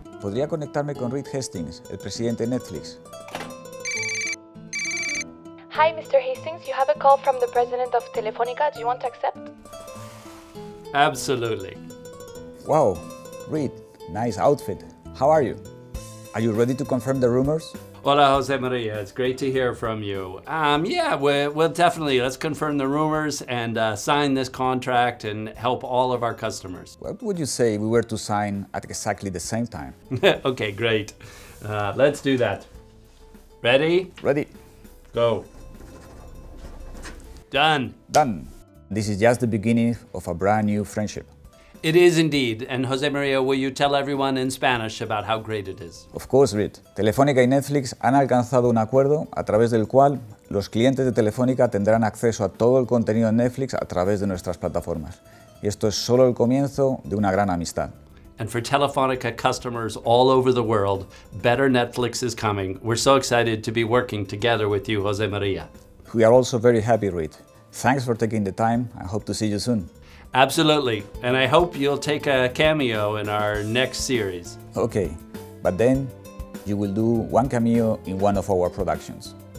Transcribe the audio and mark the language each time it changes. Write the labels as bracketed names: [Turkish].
[Spanish] ¿Podría conectarme con Reed Hastings, el presidente de Netflix? [English] Hi, Mr. Hastings. You have a call from the president of Telefónica. Do you want to accept? Absolutely. Wow, Reed, nice outfit. How are you? Are you ready to confirm the rumors? Hola, Jose Maria. It's great to hear from you. Yeah, we'll definitely, let's confirm the rumors and sign this contract and help all of our customers. What would you say if we were to sign at exactly the same time? Okay, great. Let's do that. Ready? Ready. Go. Done. Done. This is just the beginning of a brand new friendship. It is indeed. And Jose Maria, will you tell everyone in Spanish about how great it is? Of course, Reed. [Spanish] Telefónica y Netflix han alcanzado un acuerdo a través del cual los clientes de Telefónica tendrán acceso a todo el contenido de Netflix a través de nuestras plataformas. Y esto es solo el comienzo de una gran amistad. [English] And for Telefónica customers all over the world, better Netflix is coming. We're so excited to be working together with you, Jose Maria. We are also very happy, Reed. Thanks for taking the time. I hope to see you soon. Absolutely. And I hope you'll take a cameo in our next series. Okay. But then you will do one cameo in one of our productions.